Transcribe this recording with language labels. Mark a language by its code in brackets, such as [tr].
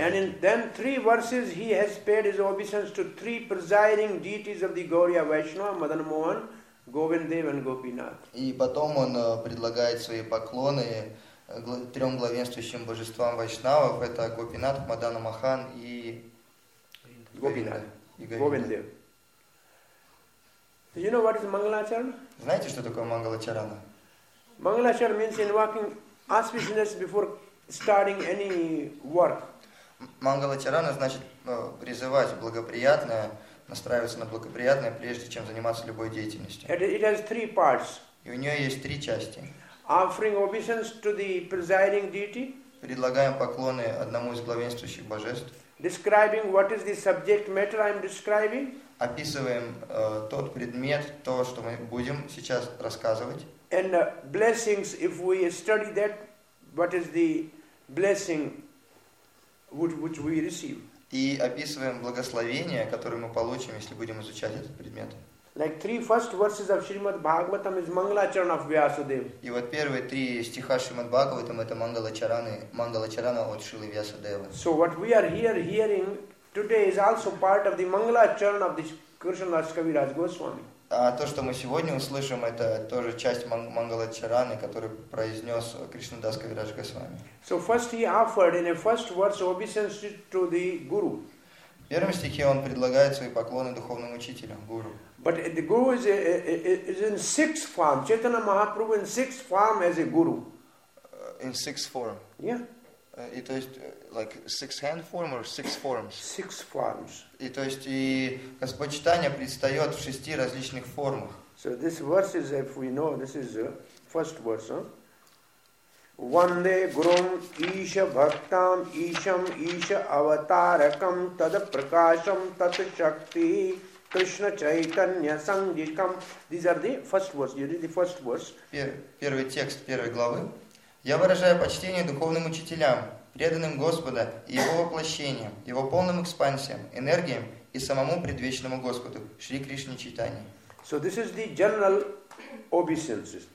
[en] And in then three verses he has paid his obeisance to three presiding deities of the Gaurya Vaishnava, Madan Mohan, Govindev and Gopinath. [ru] И потом он предлагает свои поклоны трем главенствующим божествам Вайшнавов, это Гопинатх, Мадана Махан и Гопинатх. Govindev. [en] Do you know what is Mangalacharana? [ru] Знаете, что такое Мангалачарана? [en] Mangalacharana means invoking auspiciousness before starting any work. [ru] Мангалачарана значит призывать благоприятное, настраиваться на благоприятное, прежде чем заниматься любой деятельностью. [en] It has three parts. [ru] И у нее есть три части. [en] Offering obeisance to the presiding deity. [ru] Предлагаем поклоны одному из главенствующих божеств. [en] Describing what is the subject matter I am describing. [ru] Описываем тот предмет, то, что мы будем сейчас рассказывать. [en] And blessings, if we study that, what is the blessing which we receive. [ru] И описываем благословение, которое мы получим, если будем изучать этот предмет. [en] Like three first verses of Shrimad Bhagavatam is Mangalacharan of Vyasadeva. [ru] И вот первые три стиха Шримад Бхагаватам это Мангалачарана от Шрилы Вьясадевы. [en] So what we are here hearing today is also part of the Mangalacharan of the Krishnadas Kaviraj Goswami. [ru] А то, что мы сегодня услышим, это тоже часть Мангалачараны, которую произнес Кришнадас Кавираж Госвами. [en] So first he offered in a first verse obeisance to the Guru. [ru] В первом стихе он предлагает свои поклоны духовному учителю, гуру. [en] But the guru is in sixth form. Chaitanya Mahaprabhu in sixth form as a guru. In sixth form. Yeah. [ru] И то есть [en] like six hand form or six forms. Six forms. [ru] И то есть и Господь Чайтанья предстает в шести различных формах. [en] So this verse is, if we know, this is the first verse. [sa] Ванде Гурум Иша Бхактам Ишам Иша Аватаракам Тадапракашам Татшакти Кришна Чайтанья Сангикам. [en] These are the first verse. You read the first verse. [ru] Первый текст первой главы. Я выражаю почтение духовным учителям, преданным Господа и Его воплощением, Его полным экспансиям, энергиям и самому предвечному Господу, Шри Кришне Чайтанье. [en] So this is the general obeisances.